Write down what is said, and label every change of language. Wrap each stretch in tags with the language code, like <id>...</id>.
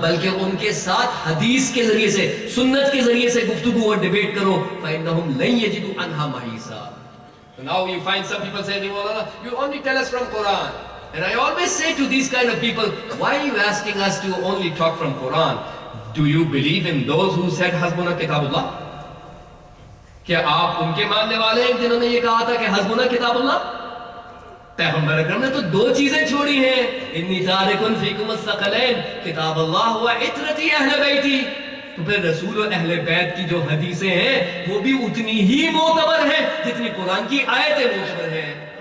<ur>بلکہ ان کے ساتھ حدیث کے ذریعے سے, سنت کے ذریعے سے گفتگو اور debate کرو.</ur> <ar>فَإِنَّهُمْ لَنْ يَجِدُوا عَنْهَا مَحِيصًا.</ar> <en>So now you find some people saying, oh, you only tell us from Quran. And I always say to these kind of people, why are you asking us to only talk from Quran? Do you believe in those who said</en> <ar>حَزْبُنَا كِتَابُ اللَّهِ?</ar> <ur>کیا آپ ان کے ماننے والے ہیں جنہوں نے یہ کہا تھا کہ</ur> <ar>حَزْبُنَا كِتَابُ اللَّهِ?</ar> <ur>پیغمبر اکرم نے تو دو چیزیں چھوڑی ہیں,</ur> <ar>اِنِّي تَارِكٌ فِيكُمَ الثَّقَلَيْنِ كِتَابَ اللَّهُ وَعِتْرَتِ اَهْلَ بَيْتِ.</ar> <ur>تو پھر رسول و اہل بیت کی جو حدیثیں ہیں وہ بھی اتنی ہی معتبر ہیں جتنی قرآن کی آیتیں معتبر ہیں.</ur>